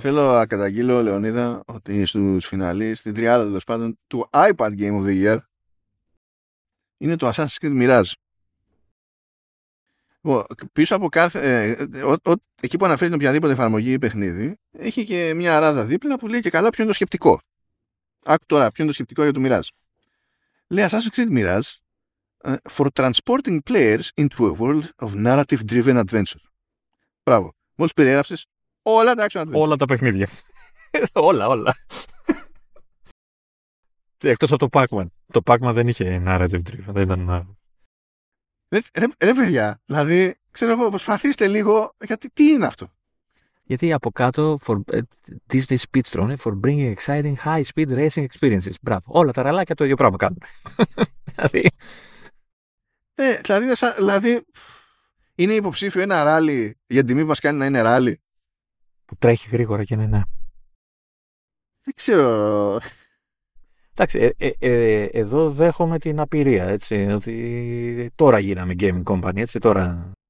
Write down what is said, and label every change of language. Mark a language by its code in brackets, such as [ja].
[el] Θέλω να καταγγείλω, Λεωνίδα, ότι στου φιναλεί, στην τριάδα τέλο πάντων του iPad Game of the Year, είναι το Assassin's Creed Mirage. Πίσω από κάθε. Εκεί που αναφέρει την οποιαδήποτε εφαρμογή ή παιχνίδι, έχει και μια ράδα δίπλα που λέει και καλά ποιο είναι το σκεπτικό. Άκου τώρα, ποιο είναι το σκεπτικό για το Μοιράζ. Λέει [en] Assassin's Creed Mirage for transporting players into a world of narrative driven adventure. [el] Μπράβο. Μόλις περιέγραψες όλα τα action adventure. Όλα τα παιχνίδια. Όλα, όλα. Εκτός από το Pac-Man. Το Pac-Man δεν είχε narrative driven. Δεν ήταν. Ρε παιδιά, δηλαδή, ξέρω εγώ, προσπαθήστε λίγο, γιατί τι είναι αυτό. Γιατί από κάτω, [en] Disney Speedstron, for bringing exciting high speed racing experiences. [el] Μπράβο, όλα τα ραλάκια το ίδιο πράγμα κάνουν. Δηλαδή. Ναι, δηλαδή, είναι υποψήφιο ένα ράλι για την τιμή που μας κάνει να είναι ράλι. Που τρέχει γρήγορα και ναι. Δεν ξέρω. Εντάξει, εδώ δέχομαι την απειρία, έτσι, ότι τώρα γίναμε gaming company, έτσι, τώρα.